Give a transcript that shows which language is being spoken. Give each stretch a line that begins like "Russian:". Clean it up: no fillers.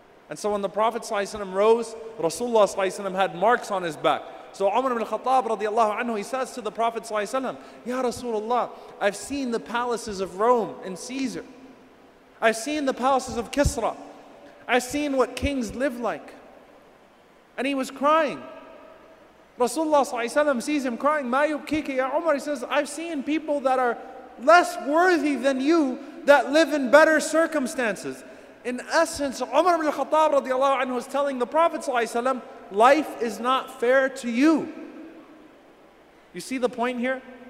English: And so when the Prophet sallallahu alayhi wasallam rose, Rasulullah sallallahu alayhi wasallam had marks on his back. So Umar ibn al-Khattab radiallahu anhu, he says to the Prophet sallallahu alayhi wasallam, Ya Rasulullah, I've seen the palaces of Rome and Caesar. I've seen the palaces of Kisra. I've seen what kings live like. And he was crying. Rasulullah ﷺ sees him crying,
Arabic: مَا يُبْكِيكَ يَا عُمَرْ.
English: He says, I've seen people that are less worthy than you that live in better circumstances, In essence, Umar ibn al-Khattab radiallahu anhu was telling the Prophet sallallahu alayhi wa sallam, life is not fair to you. You see the point here?